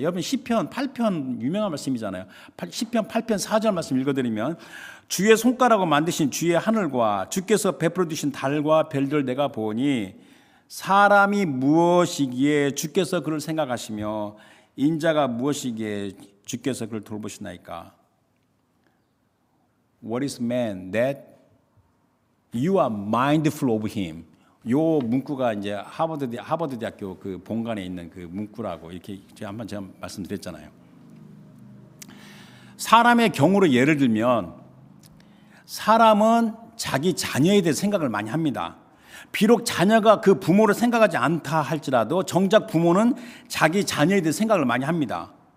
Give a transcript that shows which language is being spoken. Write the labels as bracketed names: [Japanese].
[Korean] 여러분 시편 8편 유명한 말씀이잖아요. 시편 8편 4절 말씀 읽어드리면 주의 손가락으로 만드신 주의 하늘과 주께서 베풀어 주신 달과 별들 내가 보니 사람이 무엇이기에 주께서 그를 생각하시며 인자가 무엇이기에 주께서 그를 돌보시나이까? [English] What is man that you are mindful of him? [Korean] 요 문구가 이제 하버드 대학교 그 본관에 있는 그 문구라고 이렇게 제가 한번 제가 말씀드렸잖아요. 사람의 경우로 예를 들면 사람은 자기 자녀에 대해 생각을 많이 합니다. 비록 자녀가 그 부모를 생각하지 않다 할지라도 정작 부모는 자기 자녀에 대해 생각을 많이 합니다.